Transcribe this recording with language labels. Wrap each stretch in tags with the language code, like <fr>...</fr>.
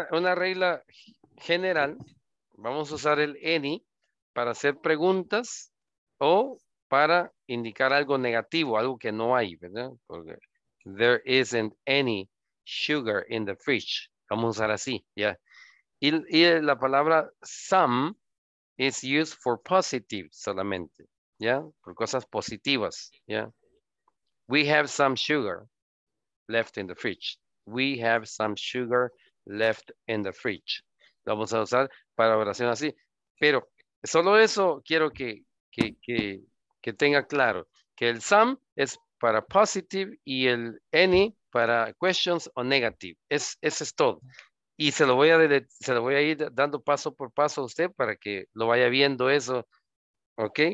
<es>una regla general, vamos a usar el any para hacer preguntas o para indicar algo negativo, algo que no hay, ¿verdad? Porque</es> <en>there isn't any sugar in the fridge.</en> <es>Vamos a usar así, ¿ya?</es> <en>Yeah.</en> <es>Y la palabra some</es> <en>is used for positive</en> <es>solamente.</es> <en>Yeah,</en> <es>por cosas positivas.</es> <en>Yeah, we have some sugar left in the fridge. We have some sugar left in the fridge.</en> <es>Lo vamos a usar para oración así. Pero solo eso quiero que tenga claro, que el some es para</es> <en>positive</en> <es>y el any para</es> <en>questions</en> <es>o negative. Eso es todo. Y se lo voy a ir dando paso por paso a usted para que lo vaya viendo eso, ¿ok?</es>